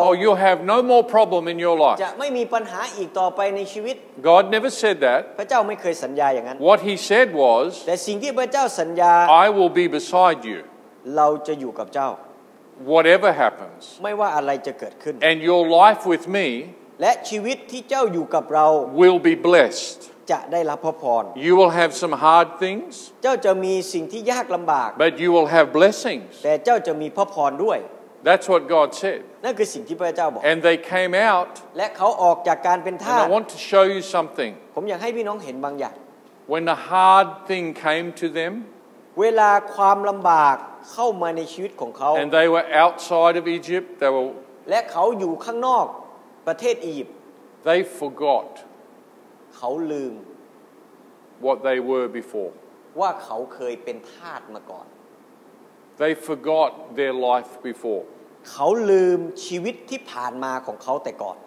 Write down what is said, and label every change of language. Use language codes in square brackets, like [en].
[en] Oh you'll have no more problem in your life [th] จะไม่มีปัญหาอีกต่อไปในชีวิต [en] God never said that [th] พระเจ้าไม่เคยสัญญาอย่างนั้น [en] What he said was [th] แต่สิ่งที่พระเจ้าสัญญา [en] I will be beside you [th] เราจะอยู่กับเจ้า [en] Whatever happens [th] ไม่ว่าอะไรจะเกิดขึ้น [en] And your life with me [th] และชีวิตที่เจ้าอยู่กับเรา [en] will be blessed [th] จะได้รับพระพร [en] you will have some hard things [th] เจ้าจะมีสิ่งที่ยากลำบาก [en] but you will have blessings [th] แต่เจ้าจะมีพระพรด้วย [en] that's what God said [th] นั่นคือสิ่งที่พระเจ้าบอก [en] and they came out [th] และเขาออกจากการเป็นทาส [en] I want to show you something [th] ผมอยากให้พี่น้องเห็นบางอย่าง [en] when a hard thing came to them [th] เวลาความลำบากเข้ามาในชีวิตของเขา [en] and they were outside of Egypt they were [th] และเขาอยู่ข้างนอกประเทศอียิปต์ [en] They forgot [th] เขาลืม [en] what they were before [th] ว่าเขาเคยเป็นทาสมาก่อน [en] They forgot their life before [th] เขาลืมชีวิตที่ผ่านมาของเขาแต่ก่อน